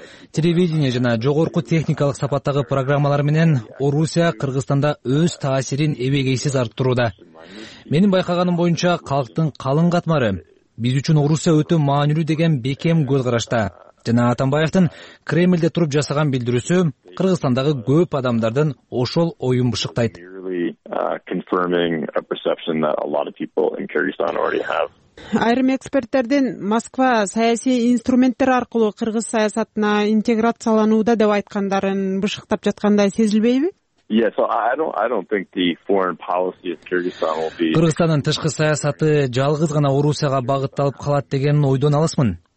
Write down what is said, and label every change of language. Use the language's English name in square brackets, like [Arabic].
[Kyrgyz] Телевидение жана жогорку техникалык сапаттагы программалар менен Орусия Кыргызстанда өз таасирин эбегейсиз арттырууда. Менин байкаганым боюнча калктын калың катмары биз үчүн Орусия өтө маанилүү деген бекем көз карашта. Жана Атамбаевдин Кремлде туруп жасаган билдирүүсү Кыргызстандагы көп адамдардын ошол оюн бышыктайт. [English] Confirming a perception that a lot of people in Kyrgyzstan already have. [Kyrgyz] Айрым эксперттердин Москва саясий инструменттер аркылуу кыргыз саясатына интеграциялануда деп айткандарын бышыктап жаткандай сезилбейби? Кыргызстандын тышкы саясаты жалгыз гана Орусияга багытталып калат деген ойдон алысмын.